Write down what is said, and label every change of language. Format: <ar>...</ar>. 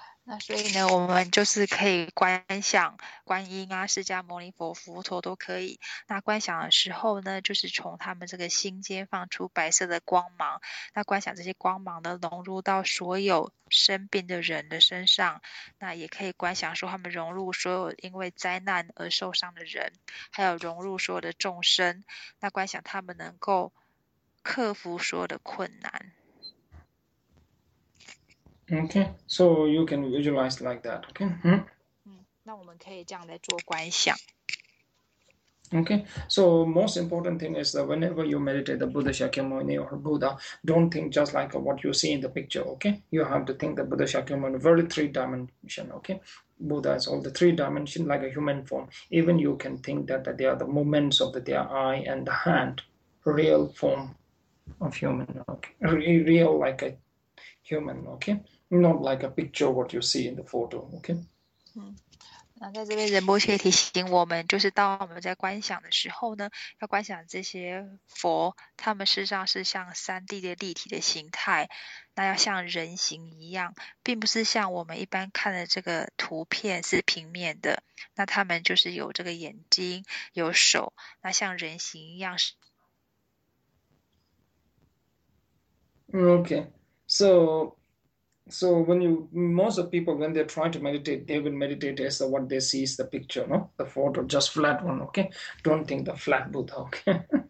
<zh>那所以呢，我们就是可以观想观音啊、释迦牟尼佛、佛陀都可以。那观想的时候呢，就是从他们这个心间放出白色的光芒。那观想这些光芒呢，融入到所有生病的人的身上。那也可以观想说，他们融入所有因为灾难而受伤的人，还有融入所有的众生。那观想他们能够克服所有的困难。</zh> <en>Okay, so you can visualize like that, okay?</en> <zh>那我们可以这样来做观想。</zh> <en>Okay, so most important thing is that whenever you meditate the Buddha Shakyamuni or Buddha, don't think just like what you see in the picture, okay? You have to think the Buddha Shakyamuni very three-dimensional, okay? Buddha is all the three-dimensional, like a human form. Even you can think that they are the movements of their eye and the hand, real form of human, okay? Real like a... Human, okay, not like a picture what you see in the photo, okay.</en> <zh>那在这边仁波切提醒我们，就是当我们在观想的时候呢，要观想这些佛，他们事实上是像3D 的立体的形态，那要像人形一样，并不是像我们一般看的这个图片是平面的。那他们就是有这个眼睛，有手，那像人形一样是。</zh> <en>Okay. So when you, most of people, when they're trying to meditate, they will meditate as what they see is the picture, no? The photo, just flat one, okay? Don't think the flat Buddha, okay?</en>